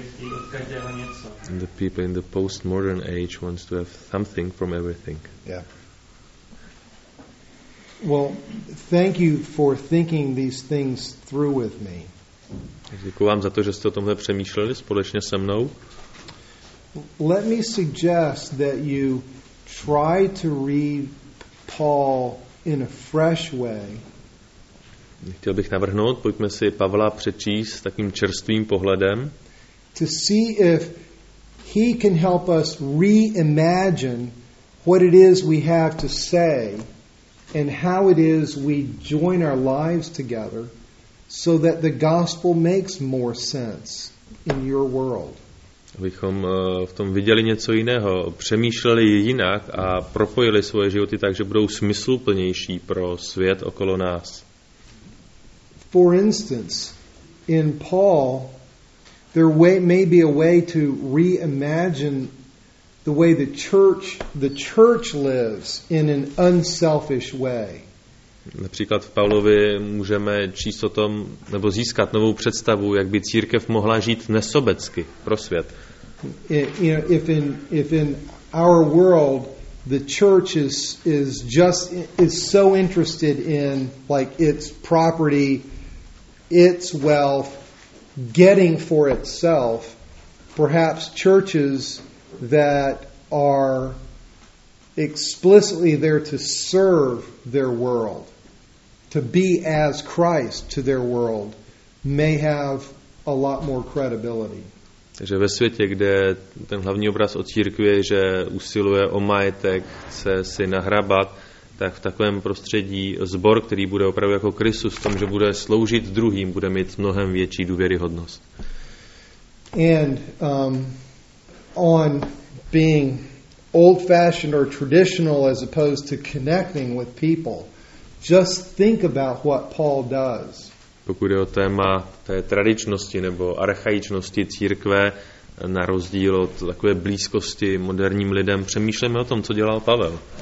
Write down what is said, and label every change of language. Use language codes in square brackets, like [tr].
[en] And the people in the postmodern age wants to have something from everything. Yeah. Well, thank you for thinking these things through with me. [cs] Děkuji vám za to, že jste o tomhle přemýšleli společně se mnou. [en] Let me suggest that you try to read Paul in a fresh way. [cs] Chtěl bych navrhnout, pojďme si Pavla přečíst takým čerstvým pohledem. [en] To see if he can help us reimagine what it is we have to say and how it is we join our lives together so that the gospel makes more sense in your world. [cs] Abychom v tom viděli něco jiného, přemýšleli jinak a propojili svoje životy tak, že budou smysluplnější pro svět okolo nás. [en] For instance, in Paul, there may be a way to reimagine the way the church lives in an unselfish way. [cs] Například v Pavlovi můžeme číst o tom, nebo získat novou představu, jak by církev mohla žít nesobecky pro svět. [en] If in our world the church is so interested in like its property, its wealth, getting for itself, perhaps churches that are explicitly there to serve their world, to be as Christ to their world, may have a lot more credibility. [cs] Takže ve světě, kde ten hlavní obraz o církvi je, že usiluje o majetek, chce si nahrabat, tak v takovém prostředí sbor, který bude opravdu jako Kristus v tom, že bude sloužit druhým, bude mít mnohem větší důvěryhodnost. [en] And on being old-fashioned or traditional as opposed to connecting with people, just think about what Paul does. [cs] Pokud je o téma té tradičnosti nebo archaičnosti církve, na rozdíl od takové blízkosti moderním lidem, přemýšlejme o tom, co dělal Pavel.